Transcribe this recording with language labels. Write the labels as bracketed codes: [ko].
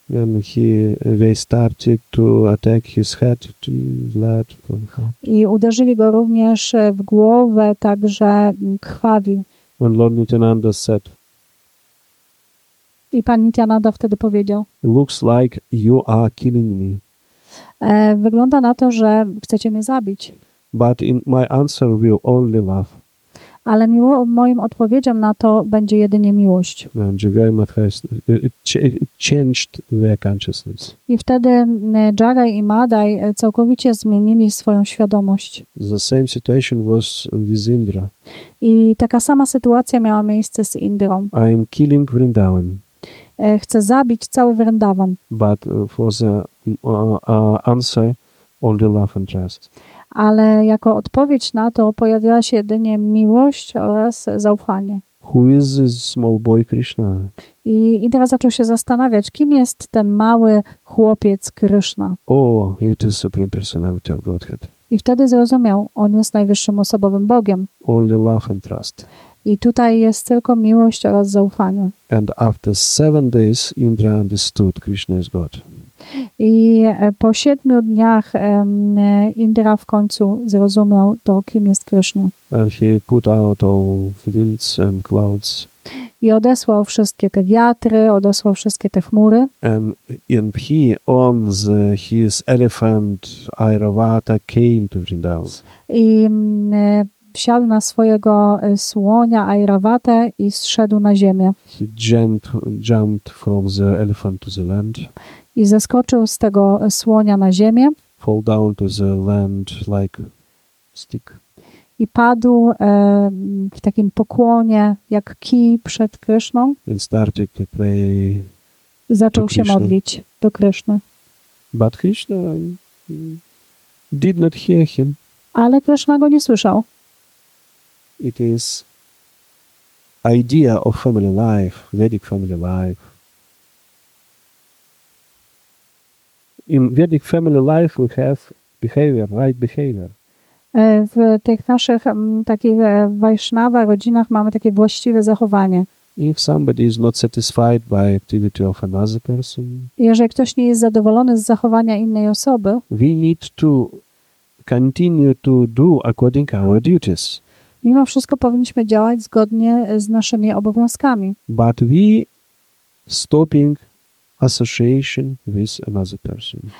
[en] And they started to attack his head, blood. [pl] I uderzyli go również w głowę, także krwawi. [en] And Lord Nityananda said. [pl] I pan Nityananda wtedy powiedział. [en] It looks like you are killing me. [pl] Wygląda na to, że chcecie mnie zabić. [en] But in my answer will only love. [pl] Ale moim odpowiedzią na to będzie jedynie miłość. [en] And Jagai Madhai changed their consciousness. [pl] I wtedy Jagai i Madhai całkowicie zmienili swoją świadomość. [en] The same situation was with Indra. [pl] I taka sama sytuacja miała miejsce z Indrą. [en] I am killing Vrindavan. [pl] Chcę zabić cały Vrindavan. [en] But for the answer, only love and trust. [pl] Ale jako odpowiedź na to pojawiła się jedynie miłość oraz zaufanie. [en] Who is this small boy Krishna? [pl] I Indra zaczął się zastanawiać, kim jest ten mały chłopiec Krishna. [en] Oh, it is supreme personality of Godhead. [pl] I wtedy zrozumiał, on jest najwyższym osobowym Bogiem. [en] Only love and trust. [pl] I tutaj jest tylko miłość oraz zaufanie. [en] And after 7 days Indra understood Krishna is God. [pl] I po 7 dniach Indra w końcu zrozumiał to, kim jest Krishna. [en] And he put out all winds and clouds. [pl] I odesłał wszystkie te wiatry, odesłał wszystkie te chmury. [en] And he on the, his elephant Airavata came to Vrindavan. [pl] I wsiadł na swojego słonia Airavata i zszedł na ziemię. [en] He jumped from the elephant to the land. [pl] I zeskoczył z tego słonia na ziemię. [en] Fall down to the land like stick. [pl] I padł w takim pokłonie, jak kij przed Kryszną. [en] And started to pray. [pl] Zaczął się modlić do Kryszny. [en] But Krishna did not hear him. [pl] Ale Kryszna go nie słyszał. [en] It is idea of family life, Vedic family life. In Vedic family life we have behavior, right behavior. [pl] W tych naszych takich Vaishnava rodzinach mamy takie właściwe zachowanie. [en] If somebody is not satisfied by activity of another person, [pl] jeżeli ktoś nie jest zadowolony z zachowania innej osoby, [en] we need to continue to do according our duties. [pl] Mimo wszystko powinniśmy działać zgodnie z naszymi obowiązkami. [en] But we stopping association with another person.